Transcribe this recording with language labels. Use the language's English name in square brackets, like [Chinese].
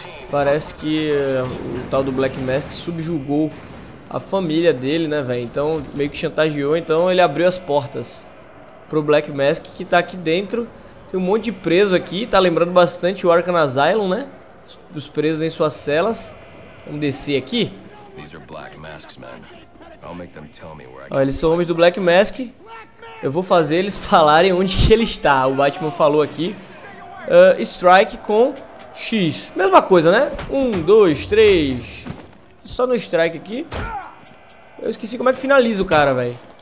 [Portuguese] Parece que o tal do Black Mask subjugou a família dele, né, velho? Então, meio que chantageou, então ele abriu as portas pro Black Mask que tá aqui dentro. Tem um monte de preso aqui, tá lembrando bastante o Arkham Asylum, né? Os presos em suas celas. Vamos descer aqui. [English] These are Black Masks, man. I'll make them tell me where I can... [Portuguese] Ó, eles são homens do Black Mask. Eu vou fazer eles falarem onde que ele está. O Batman falou aqui. Strike com X. Mesma coisa, né? 1, 2, 3. Só no strike aqui. Eu esqueci como é que finaliza o cara, velho.